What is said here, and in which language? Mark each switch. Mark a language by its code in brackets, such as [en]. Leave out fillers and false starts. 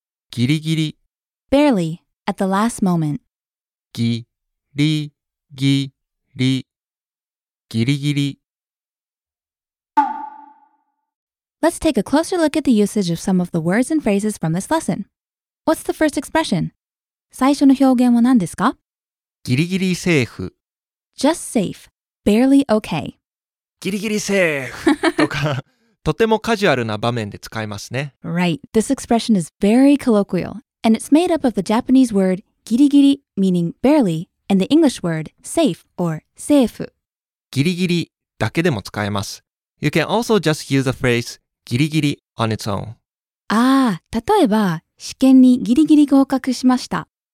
[ja] ギリギリ [en] Barely, at the last moment. [ja] ギリギリギリギリ [en] Let's take a closer look at the usage of some of the words and phrases from this lesson. What's the first expression? [ja] 最初の表現は何ですか? ギリギリセーフ [en] Just safe, barely okay. [ja] ギリギリセーフとかとてもカジュアルな場面で使いますね。 [en] Right. This expression is very colloquial. And it's made up of the Japanese word ギリギリ meaning barely, and the English word safe or safe. [ja] ギリギリだけでも使えます。 [en] You can also just use the phrase ギリギリ on its own. [ja] ああ、例えば、試験にギリギリ合格しました。